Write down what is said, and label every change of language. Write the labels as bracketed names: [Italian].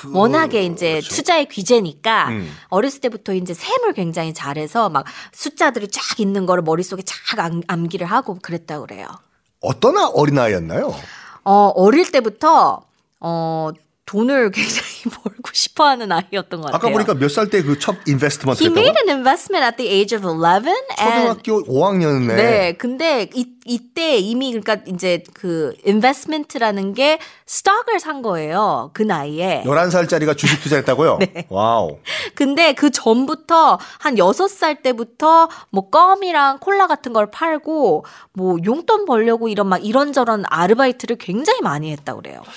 [Korean] 워낙에 이제, 그렇죠. 투자의 귀재니까, 어렸을 때부터 이제 셈을 굉장히 잘해서, 막, 숫자들이 쫙 있는 거를 머릿속에 쫙 암기를 하고 그랬다고 그래요. 어떤 어린아이였나요? 어릴 때부터, 돈을 굉장히 벌고 싶어하는 아이였던 것 같아요. 아까 보니까 몇 살 때 그 첫 인베스트먼트 했다고? [English] He made an investment at the age of 11. [Korean] 초등학교 5학년이네. 네. 근데 이때 이미 그러니까 이제 그 인베스트먼트라는 게 스톡을 산 거예요. 그 나이에. 11살짜리가 주식 투자했다고요? 네. 와우. 근데 그 전부터 한 6살 때부터 뭐 껌이랑 콜라 같은 걸 팔고 뭐 용돈 벌려고 이런 막 이런저런 아르바이트를 굉장히 많이 했다고 그래요.